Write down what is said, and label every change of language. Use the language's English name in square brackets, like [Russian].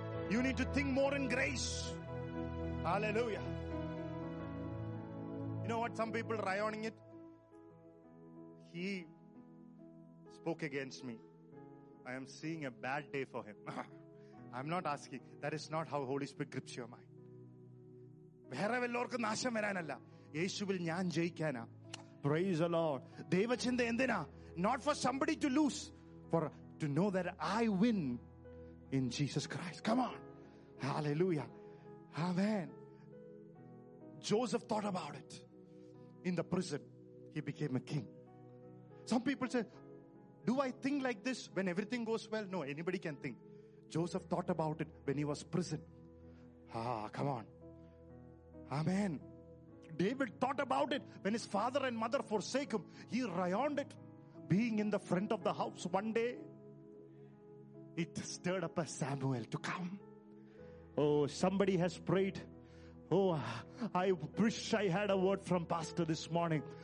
[English] You need to think more in grace. Hallelujah. You know what? Some people rayoning it. He spoke against me. I am seeing a bad day for him. I'm not asking. That is not how Holy Spirit grips your mind. [Malayalam] വേറെല്ലാവർക്കും നാശം വരാനല്ല, യേശുവിൽ ഞാൻ ജയിക്കാന. [English] Praise the Lord. [Malayalam] ദൈവചിന്ത എന്തിനാ? [English] Not for somebody to lose, for to know that I win in Jesus Christ. Come on, hallelujah, amen. Joseph thought about it. In the prison he became a king. Some people say, do I think like this when everything goes well? No, anybody can think. Joseph thought about it when he was prison. Ah, come on. Amen. David thought about it when his father and mother forsake him. He rayoned it, being in the front of the house one day. It stirred up a Samuel to come. Oh, somebody has prayed. Oh, I wish I had a word from Pastor this morning.